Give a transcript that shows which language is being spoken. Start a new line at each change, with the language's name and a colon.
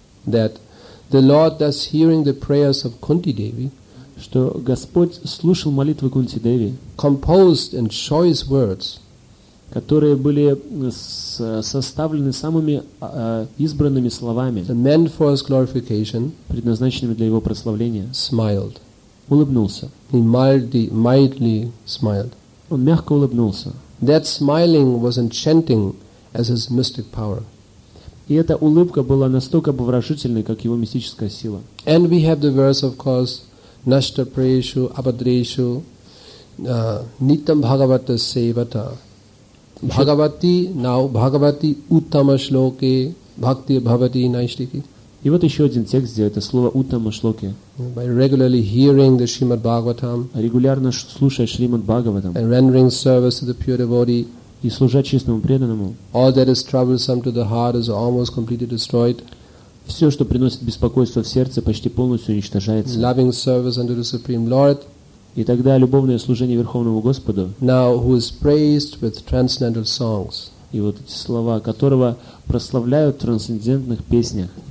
English: that the Lord thus hearing the prayers of Kunti Devi,
Russian: что Господь слушал молитвы Кунти Деви,
English: composed in choice words,
Russian: которые были составлены самыми избранными словами,
English: meant for his glorification,
Russian: предназначенными для его прославления,
English: smiled,
Russian: улыбнулся,
English: he mildly smiled,
Russian: он мягко улыбнулся,
English: that smiling was enchanting as his mystic power.
Russian: И эта улыбка была настолько обворожительной, как его мистическая сила.
English: And we have the verse, of course,
Sanskrit: Nashta Preshu Abhadreshu Nitam Bhagavata Sevata. Bhagavati now Bhagavati Uttama Shloke Bhakti Bhavati Naishtiki.
Russian: И вот еще один текст, где это слово Уттама Шлоки.
English: By regularly hearing the Shrimad Bhagavatam,
Russian: регулярно слушая Шримад Бхагаватам,
English: and rendering service to the pure devotee,
Russian: и служа честному преданному,
English: all that is troublesome to the heart is almost completely destroyed.
Russian: Все, что приносит беспокойство в сердце, почти полностью уничтожается.
English: Loving service unto the Supreme Lord,
Russian: и тогда любовное служение Верховному Господу,
English: now who is praised with transcendental songs,
Russian: и вот эти слова, которого прославляют в трансцендентных песнях,